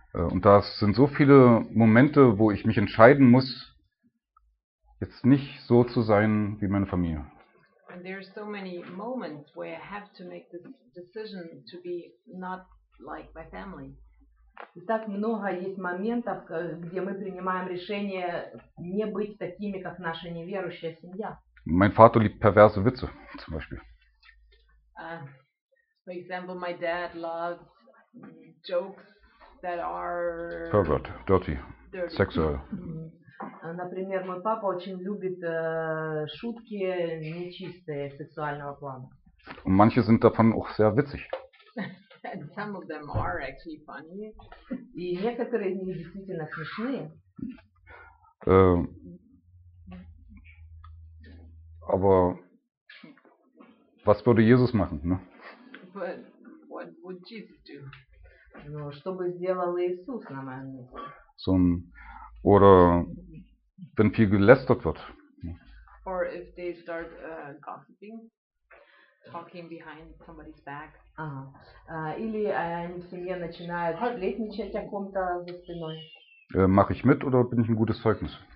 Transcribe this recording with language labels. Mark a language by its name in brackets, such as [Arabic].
[German] Und da sind so viele Momente, wo ich mich entscheiden muss, jetzt nicht so zu sein wie meine Familie. [English] And there are so many moments where I have to make this decision to be not like my family. [Russian] И так много есть моментов, где мы принимаем решение не быть такими, как наша неверующая семья. [German] Mein Vater liebt perverse Witze, zum Beispiel. [English] For example, my dad loves jokes that are pervert, dirty, sexual. [Russian] Например, мой папа очень любит шутки нечистые сексуального плана. [German] Und manche sind davon auch sehr witzig. [English] And some of them are actually funny. [Russian] И некоторые из них действительно смешные. [German] Aber was würde Jesus machen, ne? [English] But what would Jesus do? [Russian] Ну, что бы сделал Иисус на моем месте? [German] So, oder wenn viel gelästert wird. [English] Or if they start gossiping, talking behind somebody's back. [Russian] Или они в семье начинают сплетничать о ком-то за спиной. [German] Mache ich mit oder bin ich ein gutes Zeugnis?